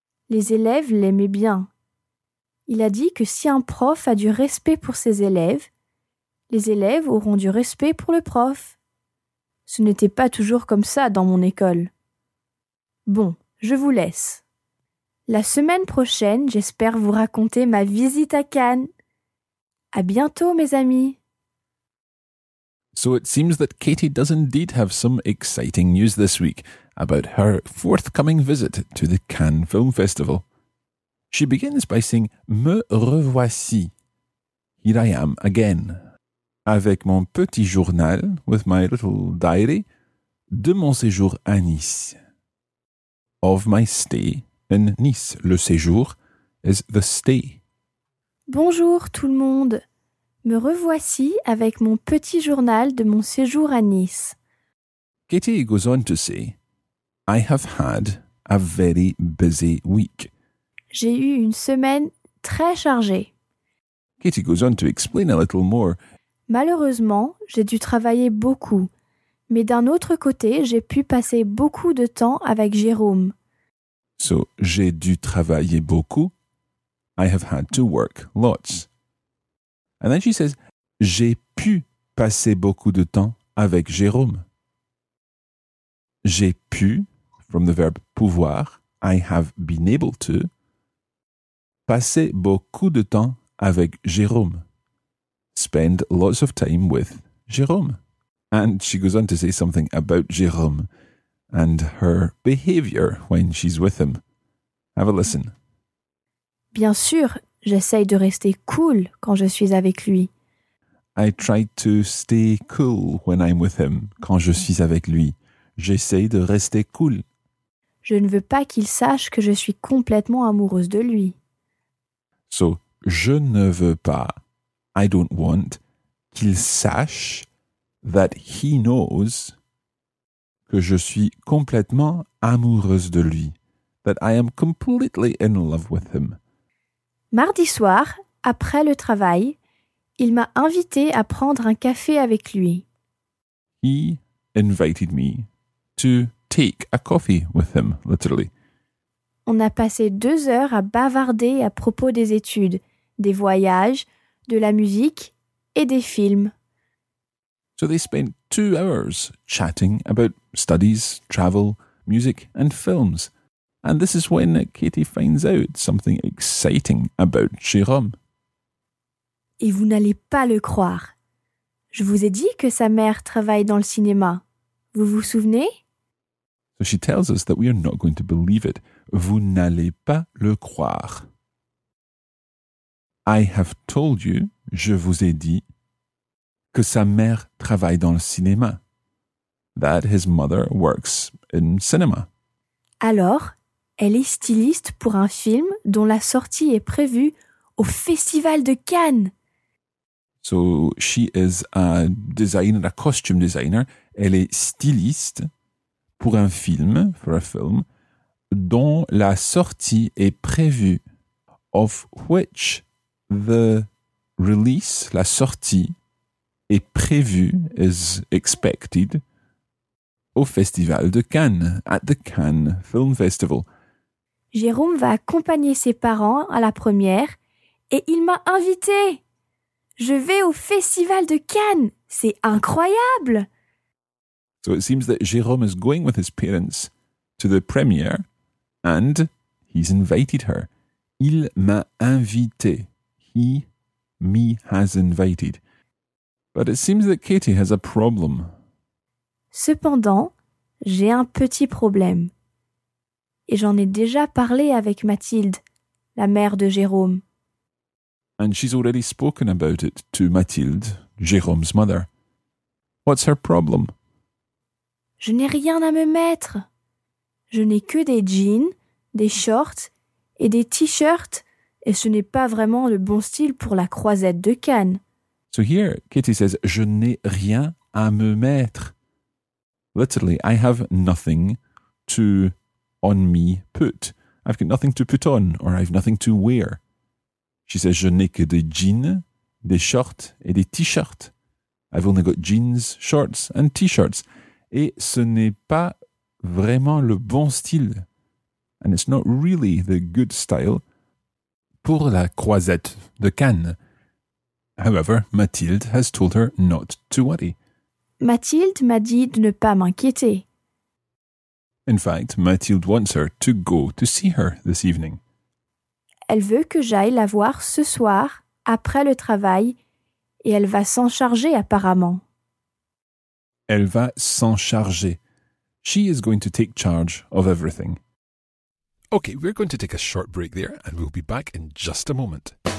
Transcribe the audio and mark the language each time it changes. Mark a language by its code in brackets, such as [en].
[fr] Les élèves l'aimaient bien. Il a dit que si un prof a du respect pour ses élèves, les élèves auront du respect pour le prof. Ce n'était pas toujours comme ça dans mon école. Bon, je vous laisse. La semaine prochaine, j'espère vous raconter ma visite à Cannes. À bientôt, mes amis. [en] So it seems that Katie does indeed have some exciting news this week about her forthcoming visit to the Cannes Film Festival. She begins by saying, [fr] me revoici. [en] Here I am again. [fr] Avec mon petit journal, [en] with my little diary, [fr] de mon séjour à Nice. [en] Of my stay in Nice. [fr] Le séjour [en] is the stay. [fr] Bonjour tout le monde. Me revoici avec mon petit journal de mon séjour à Nice. [en] Katie goes on to say, I have had a very busy week. [fr] J'ai eu une semaine très chargée. [en] Katie goes on to explain a little more. [fr] Malheureusement, j'ai dû travailler beaucoup. Mais d'un autre côté, j'ai pu passer beaucoup de temps avec Jérôme. [en] So, [fr] j'ai dû travailler beaucoup. [en] I have had to work lots. And then she says, [fr] j'ai pu passer beaucoup de temps avec Jérôme. J'ai pu, [en] from the verb [fr] pouvoir, [en] I have been able to, [fr] passer beaucoup de temps avec Jérôme. [en] Spend lots of time with Jérôme. And she goes on to say something about Jérôme and her behavior when she's with him. Have a listen. [fr] Bien sûr, j'essaye de rester cool quand je suis avec lui. [en] I try to stay cool when I'm with him, [fr] quand je suis avec lui. J'essaye de rester cool. Je ne veux pas qu'il sache que je suis complètement amoureuse de lui. [en] So, [fr] je ne veux pas, [en] I don't want, [fr] qu'il sache [en] that he knows [fr] que je suis complètement amoureuse de lui, [en] that I am completely in love with him. [fr] Mardi soir, après le travail, il m'a invité à prendre un café avec lui. [en] He invited me to take a coffee with him, literally. [fr] On a passé 2 heures à bavarder à propos des études, des voyages, de la musique et des films. [en] So they spent 2 hours chatting about studies, travel, music and films. And this is when Katie finds out something exciting about Jérôme. [fr] Et vous n'allez pas le croire. Je vous ai dit que sa mère travaille dans le cinéma. Vous vous souvenez? [en] So she tells us that we are not going to believe it. [fr] Vous n'allez pas le croire. [en] I have told you, [fr] je vous ai dit, que sa mère travaille dans le cinéma. [en] That his mother works in cinema. [fr] Alors, elle est styliste pour un film dont la sortie est prévue au Festival de Cannes. [en] So, she is a designer, a costume designer. [fr] Elle est styliste pour un film, [en] for a film, [fr] dont la sortie est prévue. [en] Of which the release, [fr] la sortie, est prévue, [en] is expected, [fr] au Festival de Cannes, [en] at the Cannes Film Festival. [fr] Jérôme va accompagner ses parents à la première et il m'a invité. Je vais au Festival de Cannes. C'est incroyable. [en] So it seems that Jérôme is going with his parents to the premiere and he's invited her. [fr] Il m'a invité. [en] He, me, has invited. But it seems that Katie has a problem. [fr] Cependant, j'ai un petit problème. Et j'en ai déjà parlé avec Mathilde, la mère de Jérôme. [en] And she's already spoken about it to Mathilde, Jérôme's mother. What's her problem? [fr] Je n'ai rien à me mettre. Je n'ai que des jeans, des shorts et des t-shirts et ce n'est pas vraiment le bon style pour la croisette de Cannes. [en] So here, Katie says, [fr] je n'ai rien à me mettre. [en] Literally, I have nothing to on me put. I've got nothing to put on or I've nothing to wear. She says, [fr] je n'ai que des jeans, des shorts et des t-shirts. [en] I've only got jeans, shorts and t-shirts. [fr] Et ce n'est pas vraiment le bon style. [en] And it's not really the good style [fr] pour la croisette de Cannes. [en] However, Mathilde has told her not to worry. [fr] Mathilde m'a dit de ne pas m'inquiéter. [en] In fact, Mathilde wants her to go to see her this evening. [fr] Elle veut que j'aille la voir ce soir, après le travail, et elle va s'en charger apparemment. Elle va s'en charger. [en] She is going to take charge of everything. Okay, we're going to take a short break there, and we'll be back in just a moment.